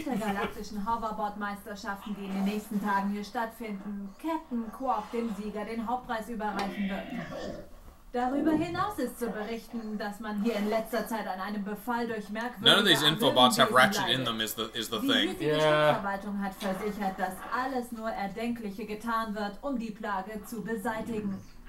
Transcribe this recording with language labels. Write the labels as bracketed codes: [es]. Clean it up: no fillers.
[de] Intergalaktischen Hoverboard-Meisterschaften, die in den nächsten Tagen hier stattfinden, Captain Quark dem Sieger den Hauptpreis überreichen wird. Darüber hinaus ist zu berichten, dass man hier in letzter Zeit an einem Befall durch merkwürdige [en] None of these Infobots have Ratchet in them is the thing. [de] Die Stadtverwaltung hat versichert, dass alles nur Erdenkliche getan wird, um die Plage zu beseitigen.